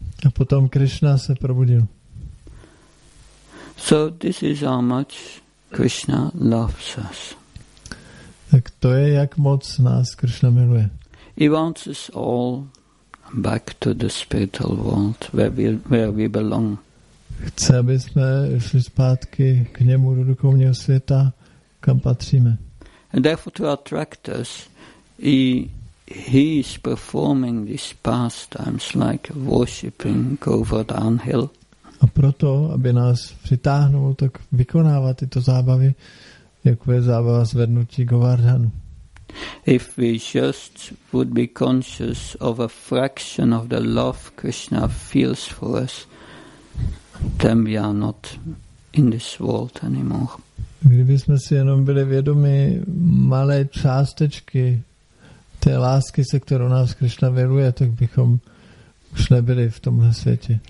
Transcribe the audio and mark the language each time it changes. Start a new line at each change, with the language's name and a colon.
Czech: A potom Krishna se probudil.
English: So this is how much Krishna loves us.
Czech: Tak to je, jak moc nás Krishna miluje.
English: He wants us all back to the spiritual world where we belong.
Czech: Chce, aby jsme šli zpátky k němu do duchovního světa, kam patříme.
English: And therefore to attract us, he is performing these pastimes like worshipping Govardhan Hill.
Czech: A proto, aby nás přitáhnul, tak vykonává tyto zábavy, Děkuje za zvednutí Govardhanu.
English: If we just would be conscious of a fraction of the love Krishna feels for us, then we are not in this world anymore.
Czech: Kdybychom si jenom byli vědomi malé částečky té lásky, se kterou nás Krishna věruje, tak bychom už nebyli v tomhle světě.